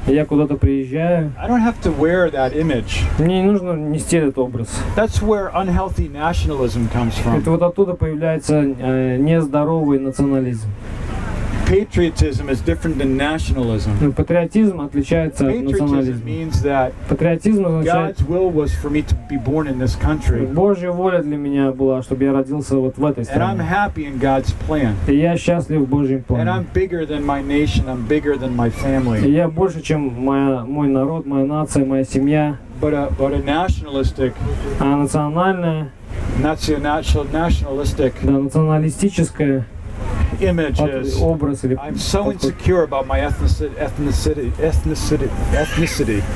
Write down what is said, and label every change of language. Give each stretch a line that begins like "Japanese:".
Russian: я куда-то приезжаю,
English: I don't have to wear that image.
Russian: Мне не нужно нести этот образ.
English: That's where unhealthy nationalism comes from.
Russian: Это вот оттуда появляется нездоровый национализм.
English: Patriotism is different than nationalism.
Russian: Ну, патриотизм отличается от национализма.
English: Patriotism means that God's will was for me to be born in this country.
Russian: Божья воля для меня была, чтобы я родился вот в этой стране.
English: And I'm happy in God's plan.
Russian: И я счастлив в Божьем плане.
English: And I'm bigger than my nation, I'm bigger than my family.
Russian: И я больше, чем мой народ, моя нация, моя семья.
English: But a nationalistic.
Russian: А национальное.
English: Nationalistic.
Russian: Да, националистическое.
English: Images.
Russian: Образ или
English: I'm so insecure about my ethnicity.